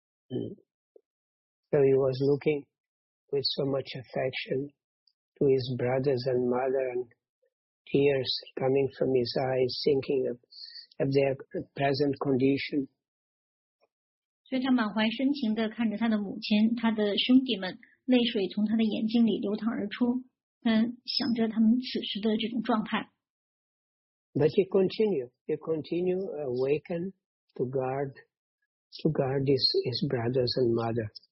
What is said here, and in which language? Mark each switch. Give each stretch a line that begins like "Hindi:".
English: So he was looking with so much affection to his brothers and mother and tears coming from his eyes, thinking of their present condition.
Chinese: 所以他满怀深情地看着他的母亲，他的兄弟们，泪水从他的眼睛里流淌而出，他想着他们此时的这种状态。
English: But he continued awakened to guard his brothers and mother.